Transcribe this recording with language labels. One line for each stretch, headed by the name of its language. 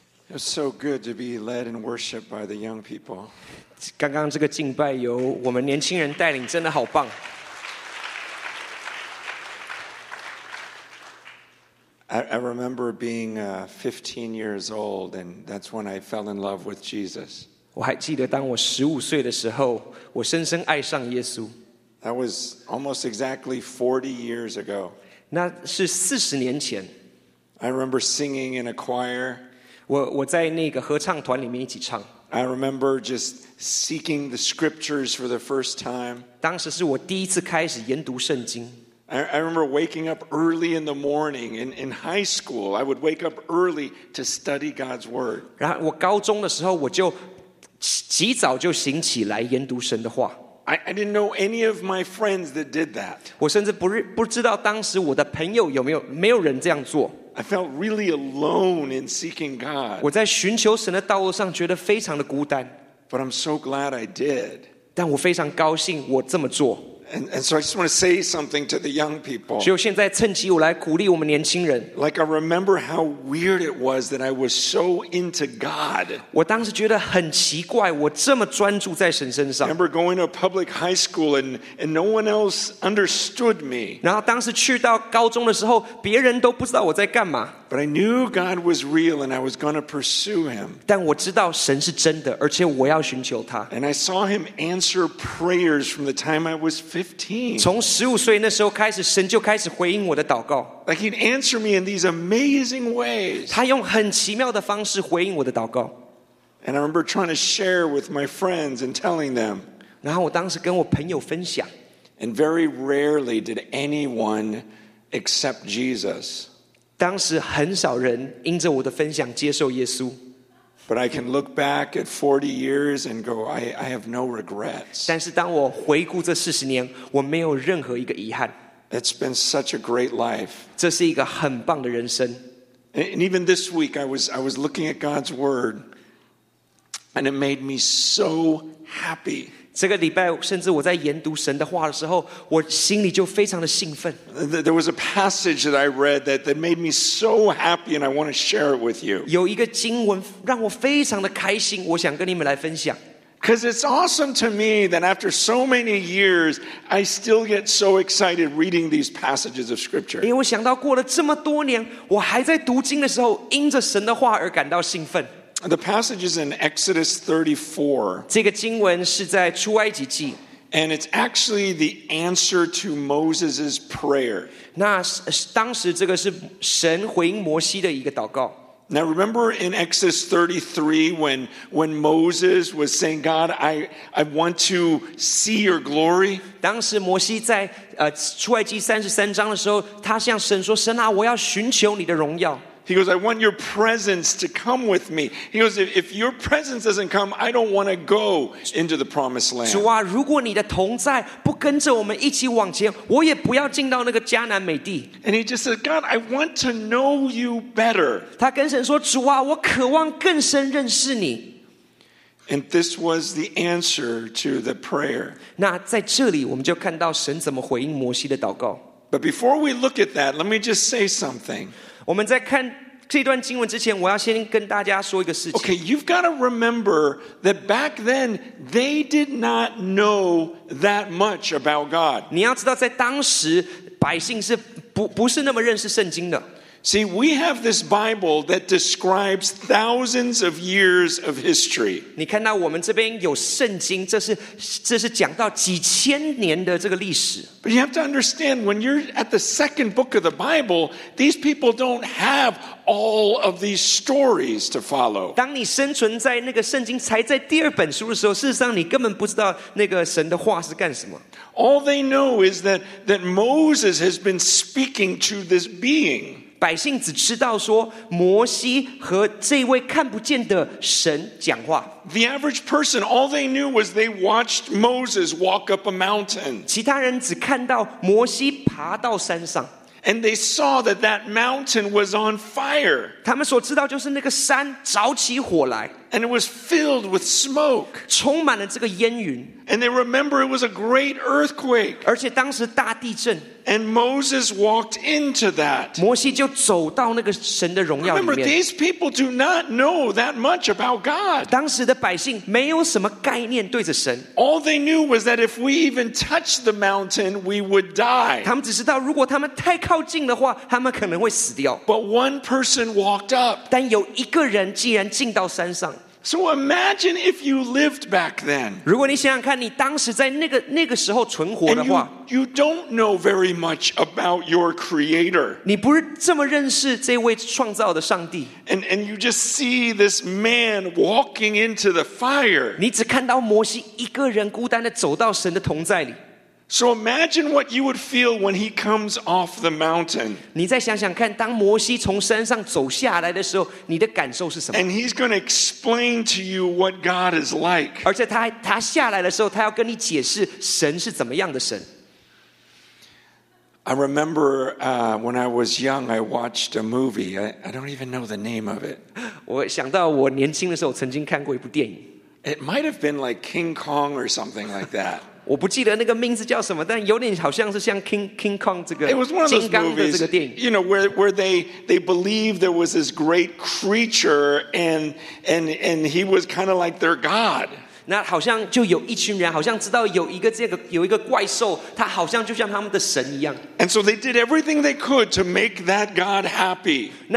English: It's so good to be led in worship by the young people.
Chinese: 刚刚这个敬拜由我们年轻人带领，真的好棒。
English: I remember being 15 years old, and that's when I fell in love with Jesus.
Chinese: 我还记得当我15岁的时候，我深深爱上耶稣。
English: That was almost exactly 40 years ago.
Chinese: 那是40年前。
English: I remember singing in a choir.
Chinese: 我在那个合唱团里面一起唱。
English: I remember just seeking the scriptures for the first time.
Chinese: 当时是我第一次开始研读圣经。
English: I remember waking up early in the morning in high school. I would wake up early to study God's word.
Chinese: 然后我高中的时候，我就极早就醒起来研读神的话。
English: I didn't know any of my friends that did that.
Chinese: 我甚至不知道当时我的朋友有没有没有人这样做。
English: I felt really alone in seeking God.
Chinese: 我在寻求神的道路上觉得非常的孤单。
English: But I'm so glad I did.
Chinese: 但我非常高兴我这么做。
English: And so I just want to say something to the young people.
Chinese: 就现在趁机我来鼓励我们年轻人。
English: Like I remember how weird it was that I was so into God.
Chinese: 我当时觉得很奇怪，我这么专注在神身上。
English: I remember going to a public high school and no one else understood me.
Chinese: 然后当时去到高中的时候，别人都不知道我在干嘛。
English: But I knew God was real and I was going to pursue him.
Chinese: 但我知道神是真的，而且我要寻求他。
English: And I saw him answer prayers from the time I was 15.
Chinese: 从15岁那时候开始，神就开始回应我的祷告。
English: Like he'd answer me in these amazing ways.
Chinese: 他用很奇妙的方式回应我的祷告。
English: And I remember trying to share with my friends and telling them.
Chinese: 然后我当时跟我朋友分享。
English: And very rarely did anyone accept Jesus.
Chinese: 当时很少人因着我的分享接受耶稣。
English: But I can look back at 40 years and go, I have no regrets.
Chinese: 但是当我回顾这40年，我没有任何一个遗憾。
English: It's been such a great life.
Chinese: 这是一个很棒的人生。
English: And even this week, I was looking at God's word, and it made me so happy.
Chinese: 这个礼拜甚至我在研读神的话的时候，我心里就非常的兴奋。
English: There was a passage that I read that made me so happy and I want to share it with you.
Chinese: 有一个经文让我非常的开心，我想跟你们来分享。
English: Because it's awesome to me that after so many years, I still get so excited reading these passages of scripture.
Chinese: 因为我想到过了这么多年，我还在读经的时候，因着神的话而感到兴奋。
English: The passage is in Exodus 34.
Chinese: 这个经文是在出埃及记。
English: And it's actually the answer to Moses' prayer.
Chinese: 那当时这个是神回应摩西的一个祷告。
English: Now remember in Exodus 33 when Moses was saying, God, I want to see your glory.
Chinese: 当时摩西在出埃及33章的时候，他向神说，神啊，我要寻求你的荣耀。
English: He goes, I want your presence to come with me. He goes, if your presence doesn't come, I don't want to go into the promised land.
Chinese: 主啊，如果你的同在不跟着我们一起往前，我也不要进到那个迦南美地。
English: And he just says, God, I want to know you better.
Chinese: 他跟神说，主啊，我渴望更深认识你。
English: And this was the answer to the prayer.
Chinese: 那在这里我们就看到神怎么回应摩西的祷告。
English: But before we look at that, let me just say something.
Chinese: 我们在看这段经文之前，我要先跟大家说一个事情。
English: Okay, you've got to remember that back then they did not know that much about God.
Chinese: 你要知道，在当时百姓是不是那么认识圣经的。
English: See, we have this Bible that describes thousands of years of history.
Chinese: 你看到我们这边有圣经，这是讲到几千年的这个历史。
English: But you have to understand, when you're at the second book of the Bible, these people don't have all of these stories to follow.
Chinese: 当你生存在那个圣经才在第二本书的时候，事实上你根本不知道那个神的话是干什么。
English: All they know is that Moses has been speaking to this being.
Chinese: 百姓只知道说摩西和这位看不见的神讲话。
English: The average person, all they knew was they watched Moses walk up a mountain.
Chinese: 其他人只看到摩西爬到山上。
English: And they saw that mountain was on fire.
Chinese: 他们所知道就是那个山着起火来。
English: And it was filled with smoke.
Chinese: 充满了这个烟云。
English: And they remember it was a great earthquake.
Chinese: 而且当时大地震。
English: And Moses walked into that.
Chinese: 摩西就走到那个神的荣耀里面。
English: Remember, these people do not know that much about God.
Chinese: 当时的百姓没有什么概念对着神。
English: All they knew was that if we even touched the mountain, we would die.
Chinese: 他们只知道如果他们太靠近的话，他们可能会死掉。
English: But one person walked up.
Chinese: 但有一个人竟然进到山上。
English: So imagine if you lived back then.
Chinese: 如果你想想看，你当时在那个时候存活的话，
English: you don't know very much about your creator.
Chinese: 你不是这么认识这位创造的上帝。
English: And you just see this man walking into the fire.
Chinese: 你只看到摩西一个人孤单地走到神的同在里。
English: So imagine what you would feel when he comes off the mountain.
Chinese: 你再想想看，当摩西从山上走下来的时候，你的感受是什么？
English: And he's going to explain to you what God is like.
Chinese: 而且他下来的时候，他要跟你解释神是怎么样的神。
English: I remember when I was young, I watched a movie. I don't even know the name of it.
Chinese: 我想到我年轻的时候曾经看过一部电影。
English: It might have been like King Kong or something like that.
Chinese: 我不记得那个名字叫什么，但有点好像是像King Kong这个。
English: It was one of those movies, you know, where they believed there was this great creature, and he was kind of like their god.
Chinese: 那好像就有一群人，好像知道有一个这个有一个怪兽，他好像就像他们的神一样。
English: And so they did everything they could to make that god happy.